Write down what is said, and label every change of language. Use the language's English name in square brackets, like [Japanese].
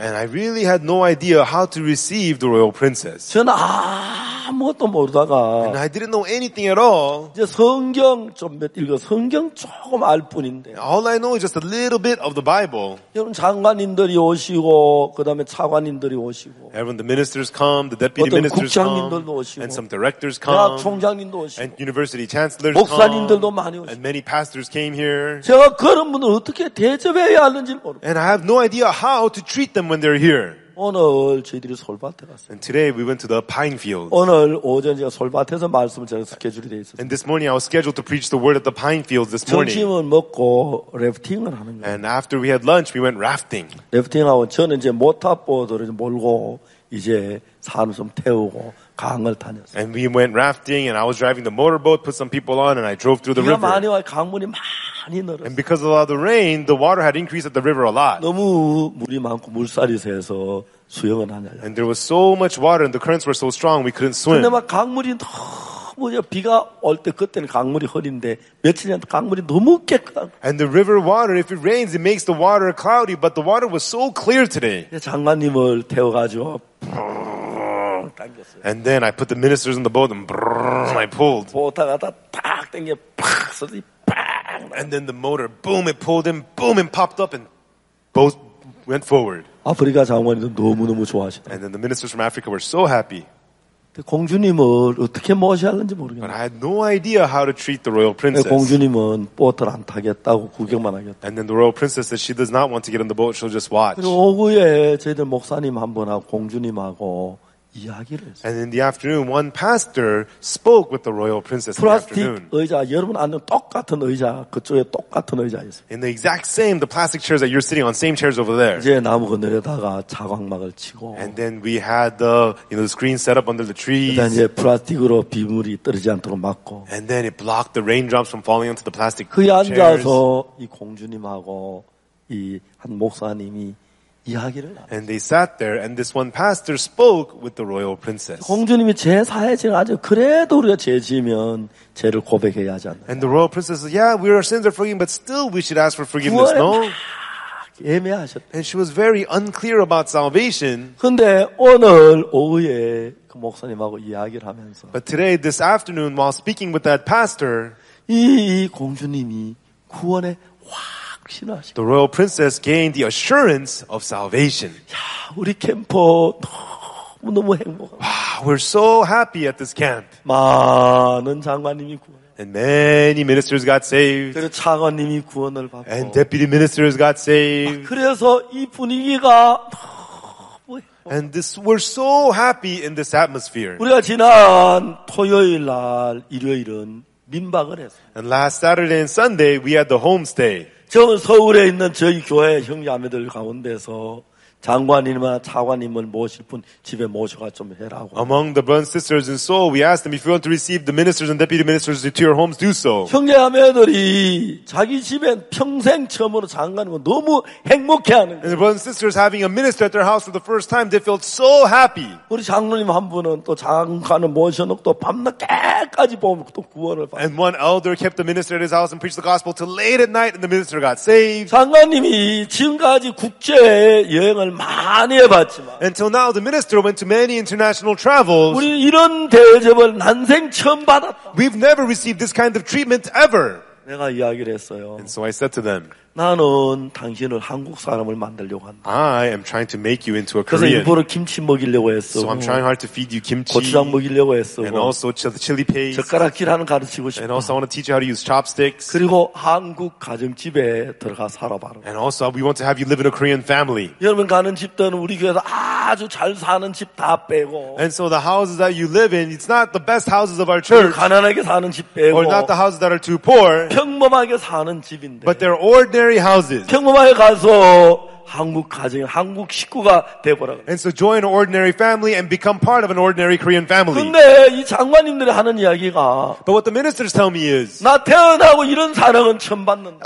[English] And I really had no idea how to receive the royal princess. [Korean] 저는 아무것도 모르다가 [English] And I didn't know anything at all. [Korean] 이제 성경 좀 몇 읽어 성경 조금 알 뿐인데. [English] All I know is just a little bit of the Bible. [Korean] 여러분 장관님들이 오시고 그다음에 차관님들이 오시고 [English] Everyone, the ministers come, the deputy ministers come. [Korean] 국장님들도 오시고 [English] And some directors come. [Korean] 대학 총장님도 오시고 [English] And university chancellors [Korean] 목사님들도 [English] come. [Korean] 많이 오시고 [English] And many pastors came here. [Korean] 제가 그런 분들 어떻게 대접해 [English] And I have no idea how to treat them when they're here. [Korean] 오늘 저희들이 솔밭에 갔어요. [English] And today we went to the pine field. [Korean] 오늘 오전 제가 솔밭에서 말씀을 제가 스케줄이 돼 있어요. [English] And this morning I was scheduled to preach the word at the pine fields this morning. [Korean] 점심은 먹고 래프팅을 하는 거예요. [English] And after we had lunch, we went rafting. [Korean] 래프팅하고 저는 이제 모터보드를 몰고 이제 사람 좀 태우고 강을 다녔어요. [English] And we went rafting, and I was driving the motorboat, put some people on, and I drove through the river. [Korean] 비가 많이 와 강물이 막 [English] And because of all the rain, the water had increased at the river a lot. [Korean] 너무 물이 많고 물살이 세서 수영은 안 하냐. [English] And there was so much water, and the currents were so strong, we couldn't swim. [Korean] 근데 막 강물이 너무 비가 올 때 그때는 강물이 흐린데 며칠 전 강물이 너무 깨끗한. [English] And the river water, if it rains, it makes the water cloudy, but the water was so clear today. [Korean] 장관님을 태워가지고. [English] And then I put the ministers in the boat, and brrrr, I pulled. [Korean] 보다가 다 팍 당겨 팍 소리. [English] And then the motor, boom, it pulled in, boom, and popped up, and both went forward. [Korean] 아프리카 장관님도 너무너무 좋아하셨다. [English] And then the ministers from Africa were so happy. [Korean] 공주님을 어떻게 모셔야 하는지 모르겠네요. [English] But I had no idea how to treat the royal princess. [Korean] 공주님은 보트를 안 타겠다고 구경만 하겠다. [English] And then the royal princess said she does not want to get on the boat, she'll just watch. [Korean] 그리고 오후에 저희들 목사님 한 분하고 공주님하고 이야기를. [English] And in the afternoon, one pastor spoke with the royal princess. [Korean] 플라스틱 [English] in the afternoon. [Korean] 의자 여러분 앉는 똑같은 의자 그쪽에 똑같은 의자였어요. [English] In the exact same, the plastic chairs that you're sitting on, same chairs over there. [Korean] 이제 나무 그늘에다가 자광막을 치고. [English] And then we had the, you know, the screen set up under the trees. [Korean] 그다음 이제 플라스틱으로 비물이 떨어지지 않도록 막고. [English] And then it blocked the raindrops from falling onto the plastic chairs. [Korean] 그 앉아서 이 공주님하고 이 한 목사님이. [English] And they sat there, and this one pastor spoke with the royal princess. [Korean] 공주님이 제사에 지금 아주 그래도 우리가 죄 지으면 죄를 고백해야 하지 않나요? [English] And the royal princess said, "Yeah, we are sins are forgiven, but still we should ask for forgiveness." No. [Korean] 애매하셨다. [English] And she was very unclear about salvation. [Korean] 근데 오늘 오후에 그 목사님하고 이야기를 하면서. [English] But today, this afternoon, while speaking with that pastor, [Korean] 이 공주님이 구원에 확. [English] The royal princess gained the assurance of salvation. [Korean] 야, 우리 캠퍼 너무 너무 행복. [English] Wow, we're so happy at this camp. [Korean] 많은 장관님이 구원. [English] And many ministers got saved. [Korean] 그리고 차관님이 구원을 받고. [English] And deputy ministers got saved. [Korean] 아, 그래서 이 분위기가 너무 행복. [English] And this, we're so happy in this atmosphere. [Korean] 우리가 지난 토요일 날 일요일은 민박을 했어. [English] And last Saturday and Sunday we had the homestay. [Korean] 저 서울에 있는 저희 교회 형제자매들 가운데서 장관님이나 차관님을 모실 분 집에 모셔가 좀 해라고. [English] Among the brothers and sisters in Seoul, we asked them if you want to receive the ministers and deputy ministers to your homes, do so. [Korean] 형제자매들이 자기 집엔 평생 처음으로 장관님을 너무 행복해하는. [English] And the brothers and sisters having a minister at their house for the first time, they felt so happy. [Korean] 우리 장로님 한 분은 또 장관을 모셔놓고 또 밤늦게까지 보면 또 구원을 받. [English] And one elder kept the minister at his house and preached the gospel till late at night, and the minister got saved. [Korean] 장관님이 지금까지 국제 여행 많이 해봤지만 [English] Until now, the minister went to many international travels. [Korean] 우리 이런 대접을 난생 처음 받았다. [English] We've never received this kind of treatment ever. [Korean] 내가 이야기를 했어요. [English] And so I said to them, [Korean] 나는 당신을 한국 사람을 만들려고 한다. [English] I am trying to make you into a Korean. [Korean] 그래서 일부러 김치 먹이려고 했어. [English] So I'm trying hard to feed you kimchi. [Korean] 고추장 먹이려고 했어. [English] And also chili paste. [Korean] 젓가락질 하는 가르치고 싶어. [English] And also I want to teach you how to use chopsticks. [Korean] 그리고 한국 가정집에 들어가 살아봐라. [English] And also we want to have you live in a Korean family. [Korean] 여러분 가는 집들은 우리 교회에서 아주 잘 사는 집 다 빼고. [English] And so the houses that you live in, it's not the best houses of our church. [Korean] 가난하게 사는 집 빼고. [English] Or not the houses that are too poor. [Korean] 평범하게 사는 집인데. [English] But they're ordinary. Houses. [Korean] 평범하게 가서 한국 가정, 한국 식구가 되어버려. [English] And so join an ordinary family and become part of an ordinary Korean family. [Korean] 근데 이 장관님들이 하는 이야기가. [English] But what the ministers tell me is. [Korean] 나 태어나고 이런 사랑은 처음 받는다.